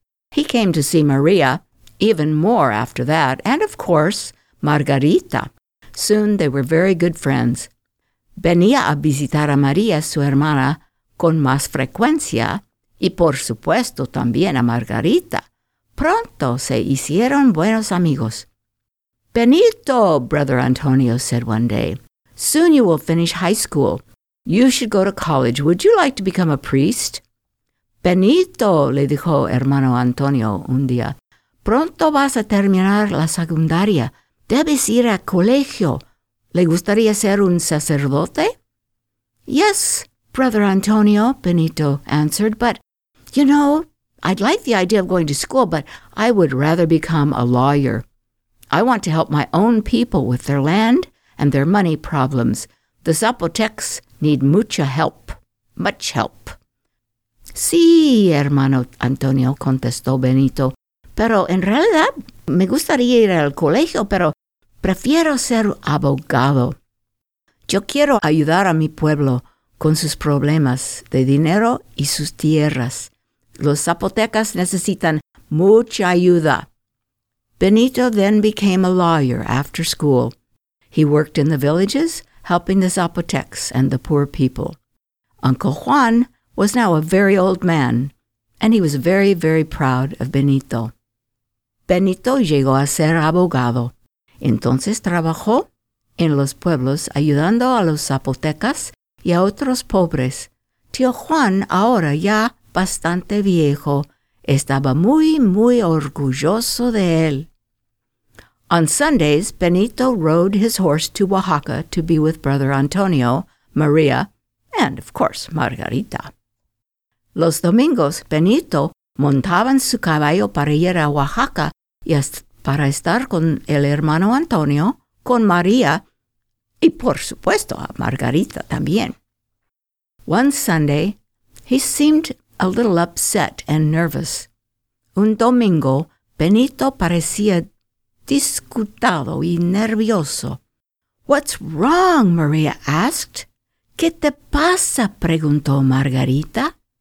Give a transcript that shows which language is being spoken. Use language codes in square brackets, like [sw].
[en] He came to see María even more after that, and of course, Margarita. Soon they were very good friends. [es] Venía a visitar a María, su hermana, con más frecuencia, y por supuesto también a Margarita. Pronto se hicieron buenos amigos. Benito, Brother Antonio said one day, soon you will finish high school. [en] You should go to college. Would you like to become a priest? [es] Benito, le dijo hermano Antonio un día, pronto vas a terminar la secundaria. Debes ir a colegio. ¿Le gustaría ser un sacerdote? [en] Yes, Brother Antonio, Benito answered, but, you know, I'd like the idea of going to school, but I would rather become a lawyer. I want to help my own people with their land and their money problems. The Zapotecs need mucha help, much help. [es] Sí, hermano Antonio, contestó Benito, pero en realidad me gustaría ir al colegio, pero prefiero ser abogado. Yo quiero ayudar a mi pueblo con sus problemas de dinero y sus tierras. Los Zapotecas necesitan mucha ayuda. [en] Benito then became a lawyer after school. He worked in the villages, helping the Zapotecs and the poor people. Uncle Juan was now a very old man, and he was very, very proud of Benito. [es] Benito llegó a ser abogado. Entonces trabajó en los pueblos ayudando a los Zapotecas y a otros pobres. Tío Juan, ahora ya bastante viejo, estaba muy, muy orgulloso de él. [en] On Sundays, Benito rode his horse to Oaxaca to be with Brother Antonio, Maria, and, of course, Margarita. [es] Los domingos, Benito montaba en su caballo para ir a Oaxaca y para estar con el hermano Antonio, con Maria, y, por supuesto, a Margarita también. [en] One Sunday, he seemed a little upset and nervous. [es] Un domingo, Benito parecía disgustado y nervioso. [en] What's wrong? Maria asked. [es] ¿Qué te pasa? Preguntó Margarita.